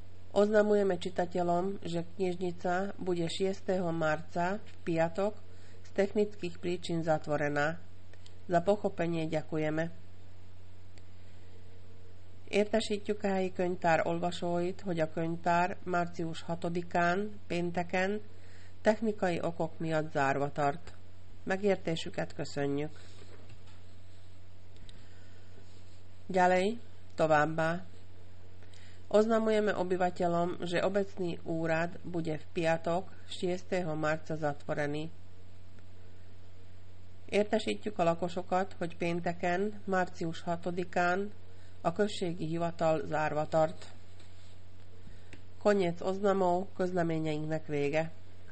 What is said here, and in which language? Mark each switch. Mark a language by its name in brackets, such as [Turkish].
[Slovak] Oznamujeme čitateľom, že knižnica bude 6. marca v piatok z technických príčin zatvorená. Za pochopenie ďakujeme. [Hungarian] Értesítjük a helyi könyvtár olvasóit, hogy a könyvtár március 6-án, pénteken, technikai okok miatt zárva tart. Megértésüket köszönjük. [Slovak] Ďalej, [Hungarian] továbbá. [Slovak] Oznamujeme obyvateľom, že obecný úrad bude v piatok 6. marca zatvorený. [Hungarian] Értesítjük a lakosokat, hogy pénteken, március 6-án, a községi hivatal zárva tart. [Slovak] Koniec oznamov, [Hungarian] közleményeinknek vége.